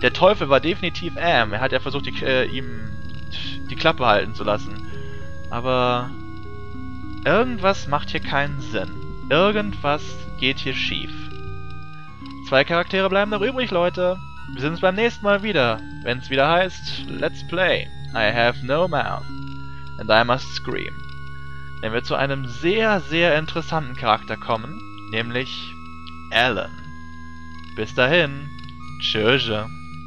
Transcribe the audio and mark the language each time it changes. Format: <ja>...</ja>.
<de>Der Teufel war definitiv Am. Er hat ja versucht, ihm die Klappe halten zu lassen. Aber irgendwas macht hier keinen Sinn. Irgendwas geht hier schief. Zwei Charaktere bleiben noch übrig, Leute. Wir sehen uns beim nächsten Mal wieder, wenn es wieder heißt Let's Play.</de> <en>I have no mouth, and I must scream.</en> <de>Wenn wir zu einem sehr, sehr interessanten Charakter kommen, nämlich Alan. Bis dahin, tschüss.</de>